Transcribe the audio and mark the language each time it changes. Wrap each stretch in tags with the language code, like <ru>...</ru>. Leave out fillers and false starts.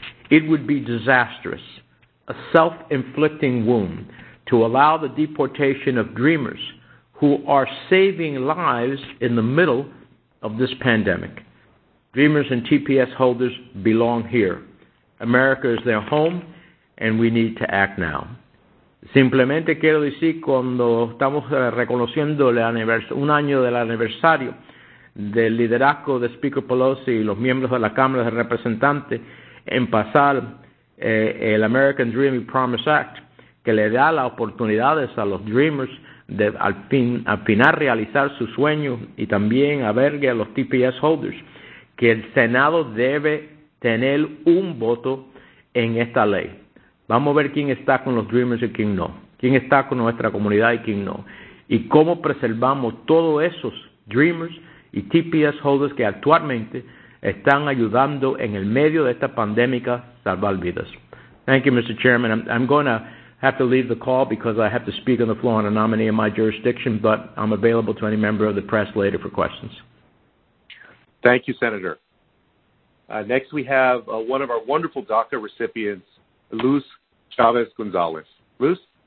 <en>It would be disastrous, a self-inflicting wound, to allow the deportation of Dreamers who are saving lives in the middle of this pandemic. Dreamers and TPS holders belong here. America is their home, and we need to act now.</en> <es>Simplemente quiero decir, cuando estamos reconociendo un año del aniversario del liderazgo de Speaker Pelosi y los miembros de la Cámara de Representantes en pasar el American Dream and Promise Act, que le da las oportunidades a los Dreamers de al final realizar su sueño y también albergue a los TPS holders, que el Senado debe tener un voto en esta ley. Vamos a ver quién está con los Dreamers y quién no, quién está con nuestra comunidad y quién no, y cómo preservamos todos esos Dreamers y TPS holders que actualmente están ayudando en el medio de esta pandemia salvar vidas.</es> <en>Thank you, Mr. Chairman. I'm going to have to leave the call because I have to speak on the floor on a nominee in my jurisdiction, but I'm available to any member of the press later for questions. Thank you, Senator. Next, we have one of our wonderful DACA recipients, Luz Chavez Gonzalez. Luz?</en>